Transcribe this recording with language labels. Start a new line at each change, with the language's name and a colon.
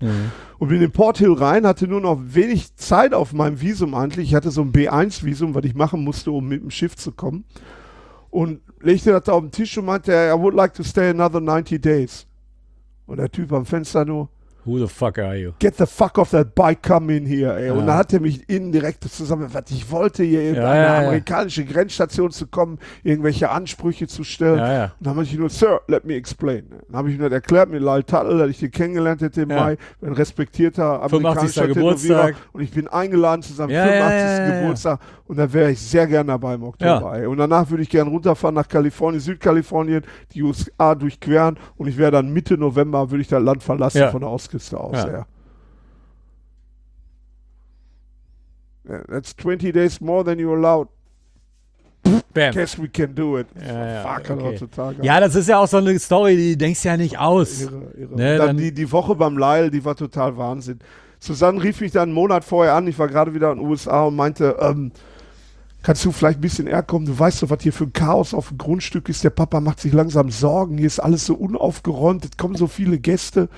German: Mhm. Und bin in Port Hill rein, hatte nur noch wenig Zeit auf meinem Visum eigentlich. Ich hatte so ein B1-Visum, was ich machen musste, um mit dem Schiff zu kommen. Und legte das da auf den Tisch und meinte,
English: I would like to stay another 90 days.
German: Und der Typ am Fenster nur,
English: who the fuck are you? Get the fuck off that bike, come in here, ey. Ja.
German: Und dann hat er mich innen direkt zusammen, was ich wollte, hier in eine amerikanische Grenzstation zu kommen, irgendwelche Ansprüche zu stellen. Ja, ja. Und dann habe ich nur,
English: Sir, let me explain.
German: Dann habe ich mir das erklärt mit Lyle Tuttle, dass ich den kennengelernt hätte im Mai, ein respektierter amerikanischer Geburtstag. Und ich bin eingeladen zusammen, 85. Geburtstag. Und da wäre ich sehr gerne dabei im Oktober. Ja. Und danach würde ich gerne runterfahren nach Kalifornien, Südkalifornien, die USA durchqueren. Und ich wäre dann Mitte November, würde ich das Land verlassen von der Ostküste aus. Ja.
English: That's 20 days more than you allowed. Bam. Guess we can do it.
German: Ja,
English: fuck, okay.
German: Ja, das ist ja auch so eine Story, die denkst du ja nicht aus. Irre. Ne, dann die Woche beim Lyle, die war total Wahnsinn. Susanne rief mich dann einen Monat vorher an, ich war gerade wieder in den USA und meinte, kannst du vielleicht ein bisschen herkommen, du weißt doch, was hier für ein Chaos auf dem Grundstück ist, der Papa macht sich langsam Sorgen, hier ist alles so unaufgeräumt, es kommen so viele Gäste.